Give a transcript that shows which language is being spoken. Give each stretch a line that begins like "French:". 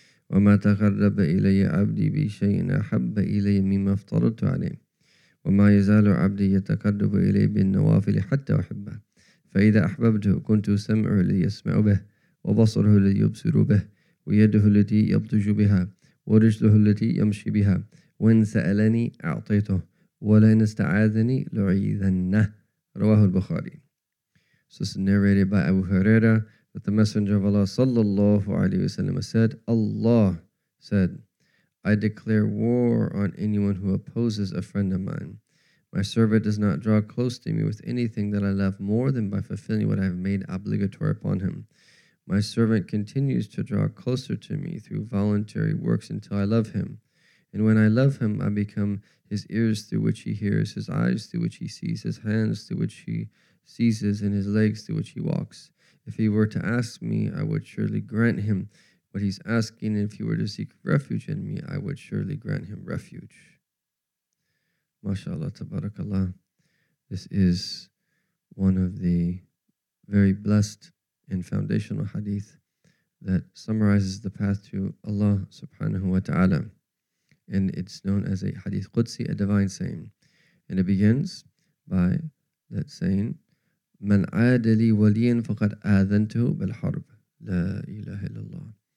Arabic: وما تقرب إلي عبدي بشيء أحب إلي مما افترضت عليه وما يزال عبدي يتقرب إلي بالنوافل حتى أحبه فإذا أحببته كنت سمعه ليسمع به وبصره ليبصر به ويده التي يبطش بها ورجله التي يمشي بها وإن سألني أعطيته ولئن استعاذني لعيذنه رواه البخاري.
English: So this is narrated by Abu Huraira that the Messenger of Allah sallallahu alayhi wa sallam said, Allah said, I declare war on anyone who opposes a friend of mine. My servant does not draw close to me with anything that I love more than by fulfilling what I have made obligatory upon him. My servant continues to draw closer to me through voluntary works until I love him. And when I love him, I become his ears through which he hears, his eyes through which he sees, his hands through which he seizes, and his legs through which he walks. If he were to ask me, I would surely grant him what he's asking. If he were to seek refuge in me, I would surely grant him refuge. MashaAllah, tabarakAllah. This is one of the very blessed and foundational hadith that summarizes the path to Allah subhanahu wa ta'ala. And it's known as a hadith Qudsi, a divine saying. And it begins by that saying,
Arabic: من عاد لي وليا فقد آذنته بالحرب لا إله إلا الله.